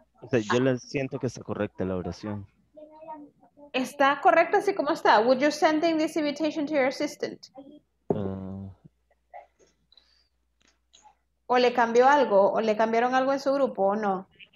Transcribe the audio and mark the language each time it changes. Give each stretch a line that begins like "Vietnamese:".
Spanish: O sea, yo le siento que está correcta la oración. Está correcta así como está.
English: Would you send this invitation to your assistant?
Spanish: ¿O le cambió algo? ¿O le cambiaron algo en su grupo o no?